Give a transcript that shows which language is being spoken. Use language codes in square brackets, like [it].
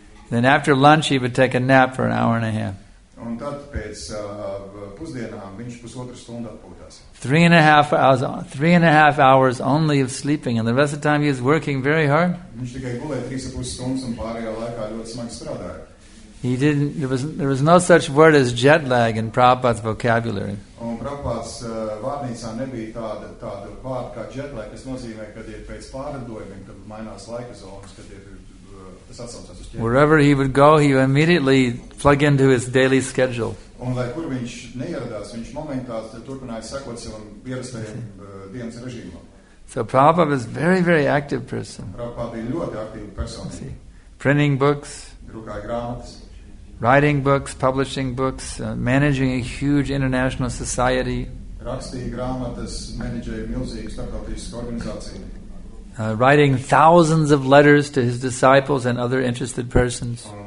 [en] Then after lunch he would take a nap for an hour and a half. [lv] Un tad pēc pusdienām viņš pusotru stundu atpūtās. [en] Three and a half hours only of sleeping, and the rest of the time he is working very hard. [lv] Viņš tikai gulēja 3.5 stundas un pārējā laikā ļoti smagi strādāja. [en] There was no such word as jet lag in Prabhupada's vocabulary. [lv] Un Prabhupada's vārnīcā nebija tāda vārda kā jet lag, kas nozīmē, kad ir pēc pārlidojumiem, kad mainās laika zonas, kad ir [en] Wherever he would go, he would immediately plug into his daily schedule. [lv] Un lai kur viņš neieradās, viņš momentā turpināja sekot savam ierastajam dienas režīmam. [en] So Prabhupada was a very, very active person. [lv] Prabhupada bija ļoti aktīva persona. [en] Printing books, [lv] rukāja grāmatas, [en] writing books, publishing books, managing a huge international society. [lv] Rakstīja grāmatas, menedžēja milzīgu starptautisku organizāciju. [en] Writing thousands of letters to his disciples and other interested persons.